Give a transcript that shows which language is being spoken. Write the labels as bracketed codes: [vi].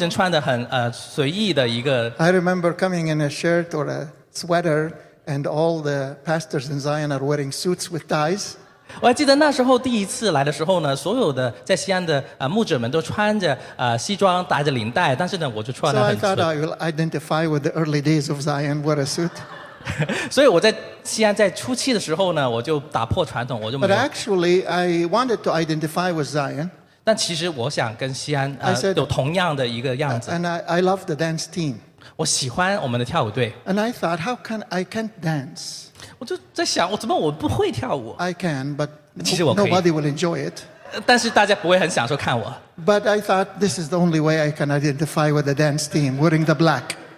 [zh] 我想我本来是第一个从会穿西装变成穿得很随意的一个。 [en] I remember coming in a shirt or a sweater, and all the pastors in Zion are wearing suits with ties. [zh] 我还记得那时候第一次来的时候呢，所有的在西安的牧者们都穿着西装，打着领带，但是呢，我就穿得很随。 [en] So I thought I will identify with the early days of Zion, wear a suit. [zh] 所以我在西安在初期的时候呢，我就打破传统，我就没有。 [en] But actually, I wanted to identify with Zion. [zh] 但其实我想跟西安有同样的一个样子。 [en] And I love the dance team. [zh] 我喜欢我们的跳舞队。 [en] And I thought, how can I can't dance? [zh] 我就在想，我怎么我不会跳舞？ [en] I can, but nobody will enjoy it. [zh] 但是大家不会很享受看我。 [en] But I thought this is the only way I can identify with the dance team, wearing the black.